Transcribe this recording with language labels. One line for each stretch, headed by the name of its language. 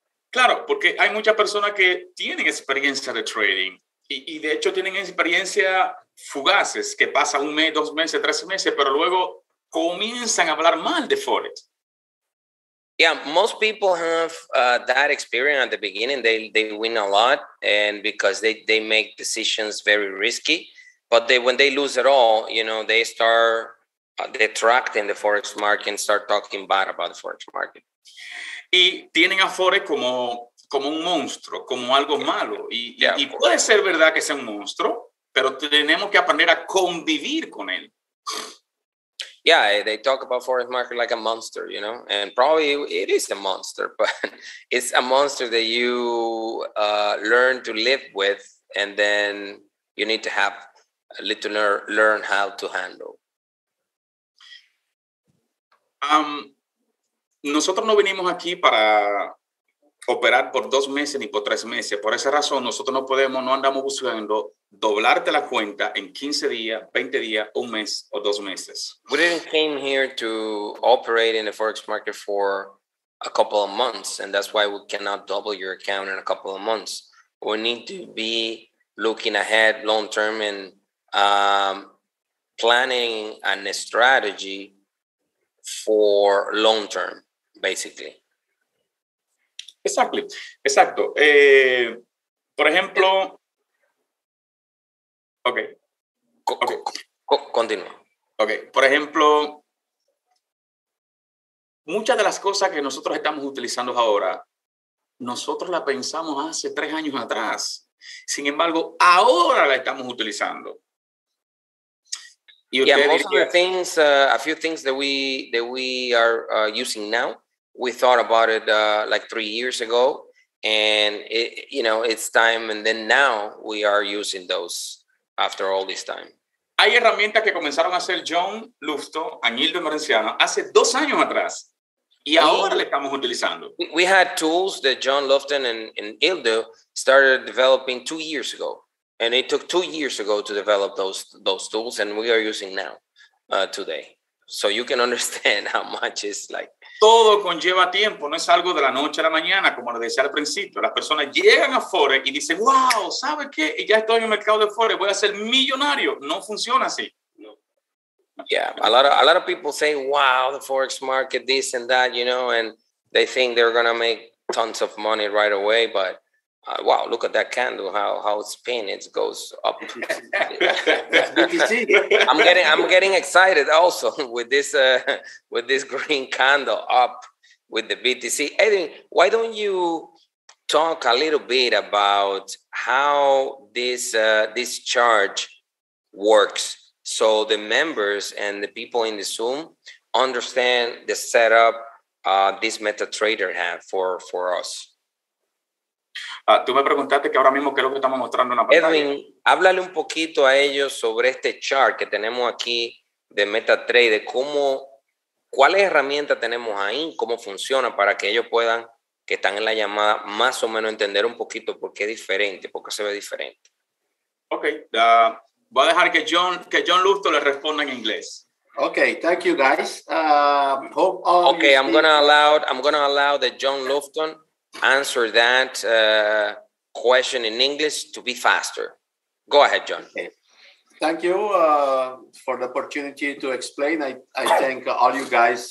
Spanish: Claro, porque hay muchas personas que tienen experiencia de trading y de hecho tienen experiencia fugaces, que pasan un mes, dos meses, tres meses, pero luego comienzan a hablar mal de Forex.
English: Yeah, most people have that experience at the beginning. They win a lot, and because they make decisions very risky, but they when they lose it all, you know, they start detracting the Forex market and start talking bad about the Forex market.
Spanish: Y tienen a Forex como un monstruo, como algo malo. Y puede ser verdad que sea un monstruo, pero tenemos que aprender a convivir con él.
English: Yeah, they talk about Forex market like a monster, you know, and probably it is a monster, but it's a monster that you learn to live with, and then you need to have listener learn how to handle?
Spanish: Nosotros no vinimos aquí para operar por 2 meses ni por 3 meses. Por esa razón, nosotros no podemos, no andamos buscando doblarte la cuenta en 15 días, 20 días, un mes o 2 meses.
English: We didn't came here to operate in the Forex market for a couple of months, and that's why we cannot double your account in a couple of months. We need to be looking ahead long term and planning a strategy for long term, basically. Exactly.
Spanish: Exacto. Por ejemplo. Continúa.
English: Okay.
Spanish: Por ejemplo, muchas de las cosas que nosotros estamos utilizando ahora, nosotros las pensamos hace 3 años atrás. Sin embargo, ahora la estamos utilizando. Y
English: yeah, most of the things, a few things that we are using now, we thought about it like 3 years ago, and it's time, and then now we are using those after all this time.
Spanish: Hay herramientas que comenzaron a hacer John Lusto, Añildo Merenciano, hace 2 años atrás. Y ahora le estamos utilizando.
English: We had tools that John Lofton and Ildo started developing 2 years ago. And it took 2 years ago to develop those tools, and we are using now, today. So you can understand how much it's like.
Spanish: Todo conlleva tiempo, no es algo de la noche a la mañana, como lo decía al principio. Las personas llegan a Forex y dicen, wow, ¿sabe qué? Y ya estoy en el mercado de Forex, voy a ser millonario. No funciona así.
English: Yeah, a lot of people say, wow, the Forex market, this and that, you know, and they think they're going to make tons of money right away. But wow, look at that candle, how it's spinning, it goes up. I'm getting excited also with this green candle up with the BTC. Eddie, why don't you talk a little bit about how this charge works? So the members and the people in the Zoom understand the setup this MetaTrader have for us.
Spanish: Tú me preguntaste que ahora mismo qué es lo que estamos mostrando en la pantalla. Edwin, háblale un poquito a ellos sobre este chart que tenemos aquí de MetaTrader. ¿Cuál herramienta tenemos ahí? ¿Cómo funciona? Para que ellos puedan, que están en la llamada, más o menos entender un poquito por qué es diferente, por qué se ve diferente. Ok. Voy a dejar que John Lusto le responda en inglés.
English: Okay, thank you guys. I'm gonna allow that John Lusto answer that question in English to be faster. Go ahead, John. Okay. Thank you for the opportunity to explain. I thank all you guys.